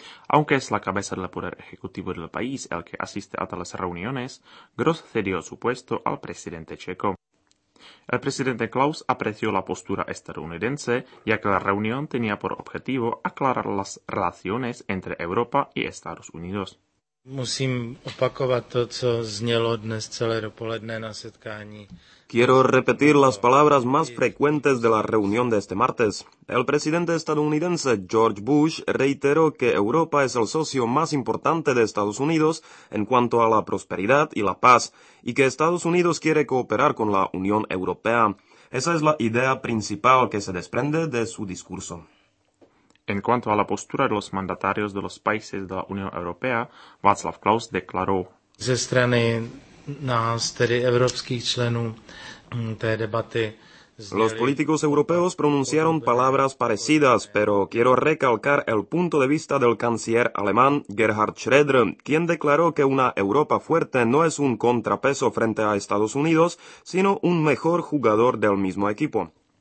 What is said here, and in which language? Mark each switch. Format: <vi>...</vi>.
<es>Aunque es la cabeza del poder ejecutivo del país el que asiste a tales reuniones, Gross cedió su puesto al presidente checo. El presidente Klaus apreció la postura estadounidense, ya que la reunión tenía por objetivo aclarar las relaciones entre Europa y Estados Unidos.</es> <cs>Musím opakovat to, co znělo dnes celé dopoledne na setkání.</cs> <es>Quiero repetir las palabras más frecuentes de la reunión de este martes. El presidente estadounidense George Bush reiteró que Europa es el socio más importante de Estados Unidos en cuanto a la prosperidad y la paz, y que Estados Unidos quiere cooperar con la Unión Europea. Esa es la idea principal que se desprende de su discurso. En cuanto a la postura de los mandatarios de los países de la Unión Europea, Václav Klaus declaró:</es> <cs>ze strany nás, tedy evropských členů té debaty.</cs> <es>Los políticos europeos pronunciaron palabras parecidas, pero quiero recalcar el punto de vista del canciller alemán Gerhard Schröder, quien declaró que una Europa fuerte no es un contrapeso frente a Estados Unidos, sino un mejor jugador del mismo equipo.</es>